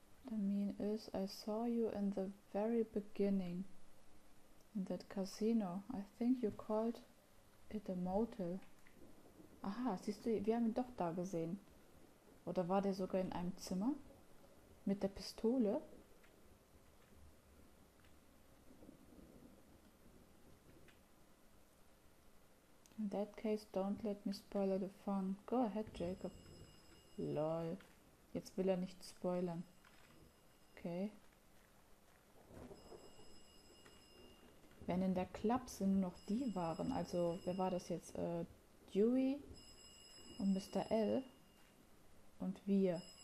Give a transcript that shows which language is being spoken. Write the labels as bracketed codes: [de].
[en] Mean is, I saw you in the very beginning, in that casino. I think you called it a motel. [de] Aha, siehst du, wir haben ihn doch da gesehen. Oder war der sogar in einem Zimmer? Mit der Pistole? [en] In that case, don't let me spoil the fun. Go ahead, Jacob. [de] Lol, jetzt will er nicht spoilern. Okay. Wenn in der Klapse nur noch die waren, also wer war das jetzt? Dewey und Mr. L und wir.